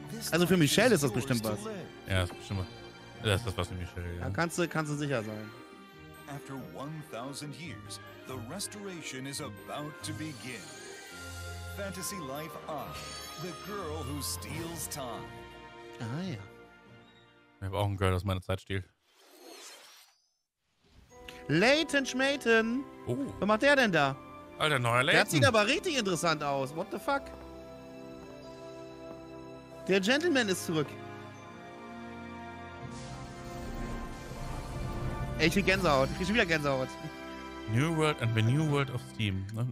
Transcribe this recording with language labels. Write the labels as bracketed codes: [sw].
[de] Also für Michelle ist das bestimmt was. Ja, das ist bestimmt was. Das ist das was für Michelle, ja. Da kannst du sicher sein. [en] After 1000 years, the restoration is about to begin. Fantasy Life I, the girl who steals time. [de] Ah ja. Ich habe auch ein Girl, das meine Zeit stiehlt. Leighton Schmaten. Oh. Was macht der denn da? Alter, neuer Leighton. Der sieht aber richtig interessant aus. [en] What the fuck? [de] Der Gentleman ist zurück. Ey, ich krieg Gänsehaut. Ich krieg schon wieder Gänsehaut. [en] New World and the New World of Steam.